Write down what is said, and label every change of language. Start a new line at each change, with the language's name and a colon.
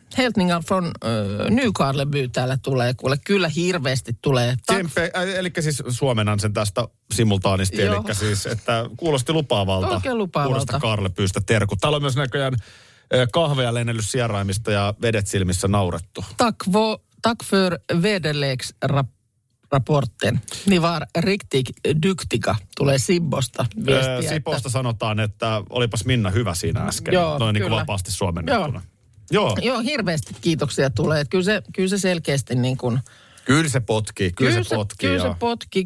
Swedish: Hälsningar från Nykarleby
Finnish: täällä tulee. Kuule, kyllä hirveästi tulee. Eli siis suomennan sen tästä simultaanisti. Eli siis, että kuulosti lupaavalta. Oikein lupaavalta. Uudesta Karlebystä terku. Täällä on myös näköjään kahveja lennellyt sieraimista ja vedet silmissä naurettu.
Swedish: Tack för väderleksrapporten.
Finnish: Niin
Swedish: var riktigt duktiga,
Finnish: tulee Sibosta viestiä. Sibosta sanotaan, että olipas Minna hyvä siinä äsken. Joo, noin niin kuin vapaasti suomennettuna. Joo, hirveästi kiitoksia tulee. Kyllä se selkeästi niin kuin... Kyllä se potkii. Kyllä se potkii.